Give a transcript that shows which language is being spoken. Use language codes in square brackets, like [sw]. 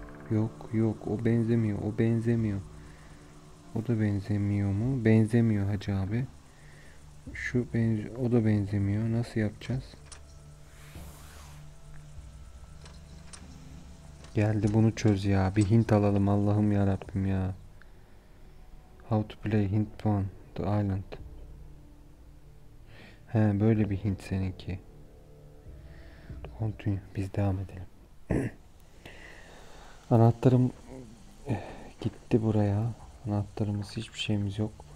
[tr] Yok, yok. O benzemiyor. O benzemiyor. O da benzemiyor mu? Benzemiyor hacı abi. O da benzemiyor. Nasıl yapacağız? Geldi bunu çöz ya. Bir Hint alalım Allah'ım ya Rabbim ya. [en] How to play Hint Pawn the Island. [tr] He böyle bir Hint seninki. Continue. Biz devam edelim. Anahtarım gitti buraya. Anahtarımız hiçbir şeyimiz yok.